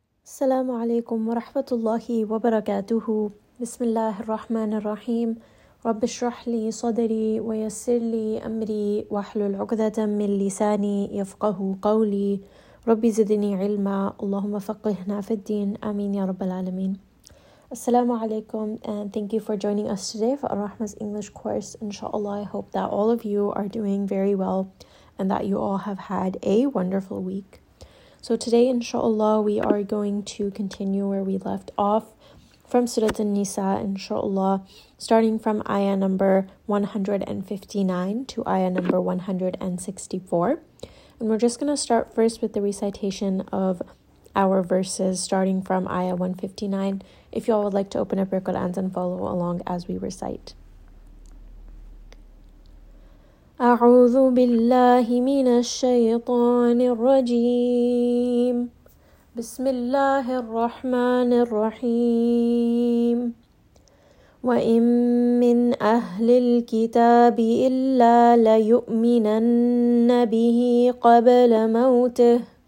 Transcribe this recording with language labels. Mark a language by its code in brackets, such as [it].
[ar] السلام عليكم ورحمة الله وبركاته. بسم الله الرحمن الرحيم. رب اشرح لي صدري ويسر لي أمري واحلل عقدة من لساني يفقه قولي. ربي زدني علما، اللهم فقهنا في الدين، آمين يا رب العالمين. السلام عليكم [en] and thank you for joining us today for Rahma's English course. Inshallah, I hope that all of you are doing very well and that you all have had a wonderful week. So today, inshallah, we are going to continue where we left off from Surah An-Nisa, inshallah, starting from ayah number 159 to ayah number 164. And we're just going to start first with the recitation of our verses, starting from ayah 159. If you all would like to open up your Qur'ans and follow along as we recite. [ar] أعوذ بالله من الشيطان الرجيم بسم الله الرحمن الرحيم وإن من أهل الكتاب إلا ليؤمنن به قبل موته